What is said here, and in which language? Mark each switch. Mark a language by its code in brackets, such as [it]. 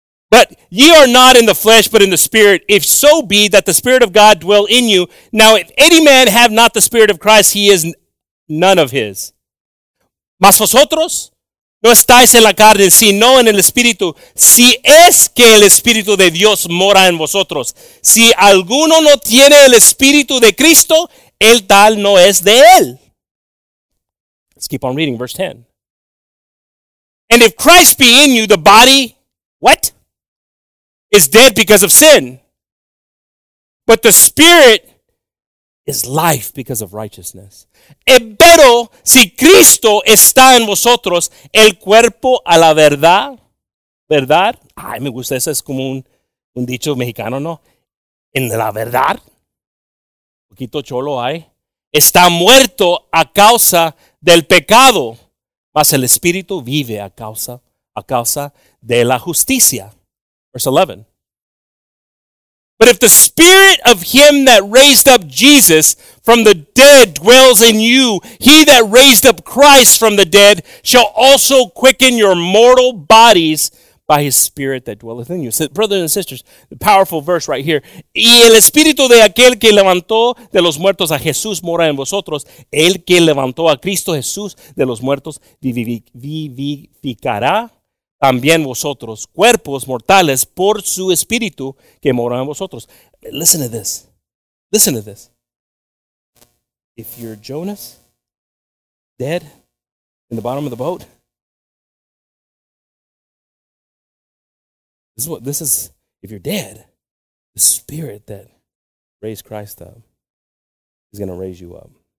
[en] But ye are not in the flesh, but in the spirit, if so be that the spirit of God dwell in you. Now, if any man have not the spirit of Christ, he is none of his. [es] Mas vosotros no estáis en la carne, sino en el Espíritu. Si es que el Espíritu de Dios mora en vosotros. Si alguno no tiene el Espíritu de Cristo, el tal no es de él. [en] Let's keep on reading verse 10. And if Christ be in you, the body, what? Is dead because of sin. But the Spirit is life because of righteousness. [es] Pero si Cristo está en vosotros, el cuerpo a la verdad, ¿verdad? Ay, me gusta eso, es como un dicho mexicano, ¿no? En la verdad, un poquito cholo hay, está muerto a causa del pecado, mas el Espíritu vive a causa de la justicia. [en] Verse 11. But if the spirit of him that raised up Jesus from the dead dwells in you, he that raised up Christ from the dead shall also quicken your mortal bodies by his spirit that dwelleth in you. So, brothers and sisters, the powerful verse right here. [es] Y el espíritu de aquel que levantó de los muertos a Jesús mora en vosotros. El que levantó a Cristo Jesús de los muertos vivificará también vosotros, cuerpos mortales, por su espíritu que mora en vosotros. [en] Listen to this. Listen to this. If you're Jonas, dead in the bottom of the boat, this is, if you're dead, the spirit that raised Christ up is going to raise you up.